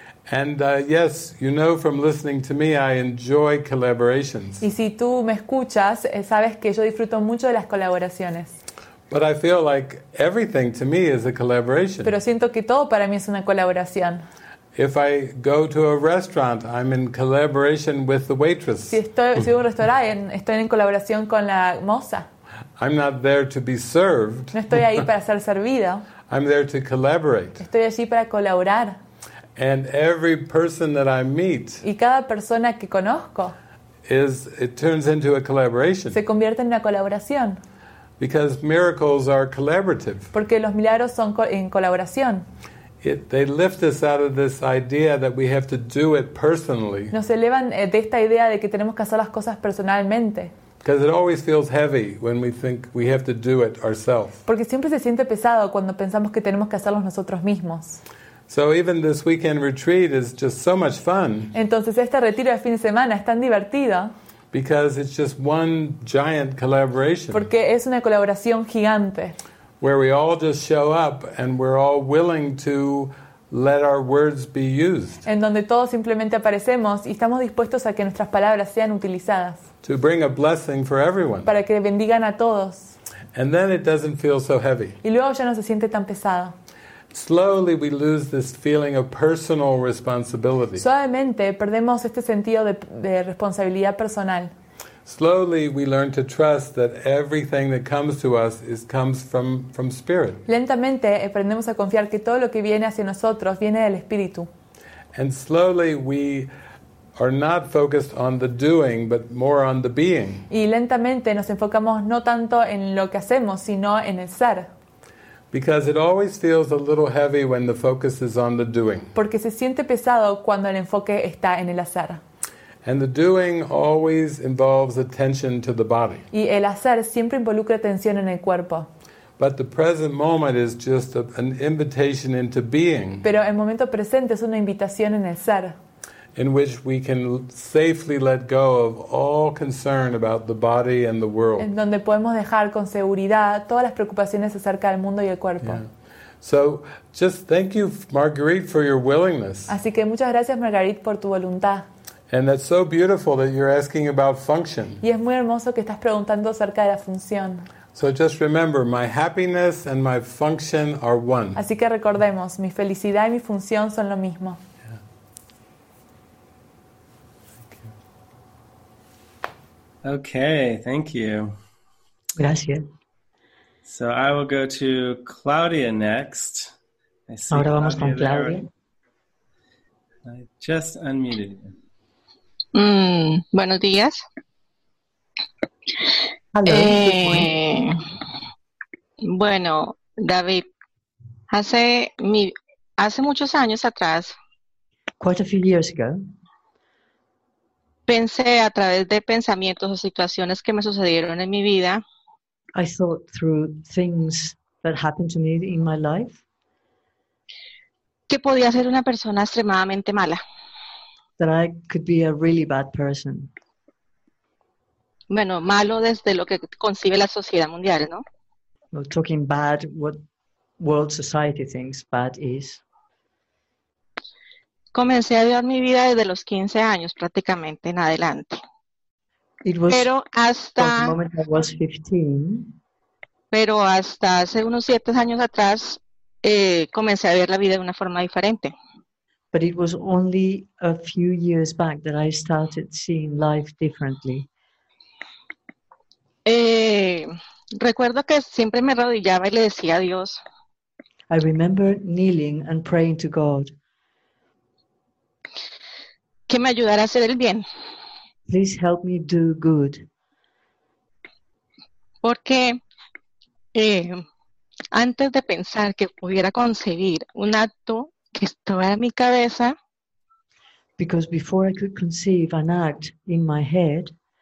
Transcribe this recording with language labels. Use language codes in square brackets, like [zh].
[en] And yes, you know from listening to me, I enjoy collaborations. [es] Y si tú me escuchas, sabes que yo disfruto mucho de las colaboraciones. [en] But I feel like everything to me is a collaboration. [es] Pero siento que todo para mí es una colaboración. [en] If I go to a restaurant, I'm in collaboration with the waitress. [es] Si voy a un restaurante, estoy en colaboración con la moza. [en] I'm not there to be served. [es] No estoy ahí para ser servido. [en] I'm there to collaborate. [es] Estoy allí para colaborar. [en] And every person that I meet. [es] Y cada persona que conozco. [en] It turns into a collaboration. [es] Se convierte en una colaboración. [en] Because miracles are collaborative. [es] Porque los milagros son en colaboración. [en] They lift us out of this idea that we have to do it personally. [es] Nos elevan de esta idea de que tenemos que hacer las cosas personalmente. [en] Because it always feels heavy when we think we have to do it ourselves. [es] Porque siempre se siente pesado cuando pensamos que tenemos que hacerlo nosotros mismos. [en] So even this weekend retreat is just so much fun. [es] Entonces este retiro de fin de semana es tan divertido. [en] Because it's just one giant collaboration. [es] Porque es una colaboración gigante. [en] Where we all just show up and we're all willing to let our words be used. [es] En donde todos simplemente aparecemos y estamos dispuestos a que nuestras palabras sean utilizadas. [en] To bring a blessing for everyone. [es] Para que bendigan a todos. [en] And then it doesn't feel so heavy. [es] Y luego ya no se siente tan pesado. [en] Slowly we lose this feeling of personal responsibility. [es] Suavemente perdemos este sentido de responsabilidad personal. [en] Slowly we learn to trust that everything that comes to us comes from spirit. [es] Lentamente aprendemos a confiar que todo lo que viene hacia nosotros viene del espíritu. [en] And slowly we are not focused on the doing but more on the being. [es] Y lentamente nos enfocamos no tanto en lo que hacemos sino en el ser. [en] Because it always feels a little heavy when the focus is on the doing. [es] Porque se siente pesado cuando el enfoque está en el hacer. [en] And the doing always involves attention to the body. [es] Y el hacer siempre involucra atención en el cuerpo. [en] But the present moment is just an invitation into being. [es] Pero el momento presente es una invitación en el ser. [en] In which we can safely let go of all concern about the body and the world. [es] En donde podemos dejar con seguridad todas las preocupaciones acerca del mundo y el cuerpo. [en] Yeah. So, just thank you, Marguerite, for your willingness. [es] Así que muchas gracias, Marguerite, por tu voluntad. [en] And that's so beautiful that you're asking about function. [es] Y es muy hermoso que estás preguntando acerca de la función. [en] So just remember, my happiness and my function are one. [es] Así que recordemos, mi felicidad y mi función son lo mismo. [en] Okay, thank you. [es] Gracias. [en] So I will go to Claudia next. [es] Ahora vamos con Claudia. [en] I just unmuted you. [es] Buenos días. [en] Hello. [es] Bueno, David, hace muchos años atrás, [en] quite a few years ago, [es] pensé a través de pensamientos o situaciones que me sucedieron en mi vida. [en] I thought through things that happened to me in my life. [es] Que podía ser una persona extremadamente mala. [en] That I could be a really bad person. [es] Bueno, malo desde lo que concibe la sociedad mundial, ¿no? [en] Well, talking bad, what world society thinks bad is. [es] Comencé a llevar mi vida desde los 15 años prácticamente en adelante. [en] It was, [es] pero hasta, [en] the moment I was 15. [es] Pero hasta hace unos 7 años atrás comencé a ver la vida de una forma diferente. [en] But it was only a few years back that I started seeing life differently. [es] Recuerdo que siempre me arrodillaba y le decía a Dios. [en] I remember kneeling and praying to God. [es] Que me ayudara a hacer el bien. [en] Please help me do good. [es] Porque antes de pensar que pudiera concebir un acto que estaba en mi cabeza. [en] Because before I could conceive an act in my head.